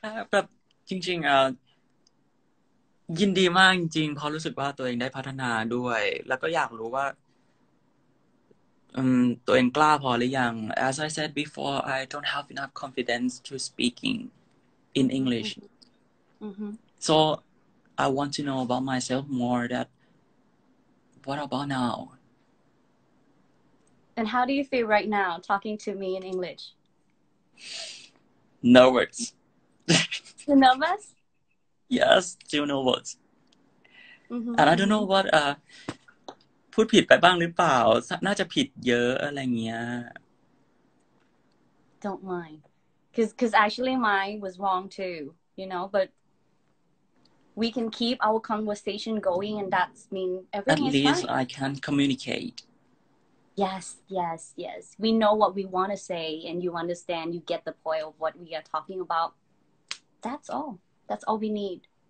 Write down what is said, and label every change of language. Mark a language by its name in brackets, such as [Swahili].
[Thai] แบบจริงๆยินดีมากจริงๆพอรู้สึกว่าตัวเองได้พัฒนาด้วยแล้วก็อยากรู้ว่าตัวเองกล้าพอหรือยัง [English] As I said before, I don't have enough confidence to speaking in English. So I want to know about myself more. That what about now? And how do you feel right now talking to me in English? Nervous. You're nervous? Yes, still nervous. And I don't know what [Thai] พูดผิดไปบ้างหรือเปล่าน่าจะผิดเยอะอะไรเงี้ย [English] Don't mind because actually mine was wrong too you know but we can keep our conversation going and that's mean everything at is least fine. I can communicate yes we know what we want to say and you understand you get the point of what we are talking about that's all we need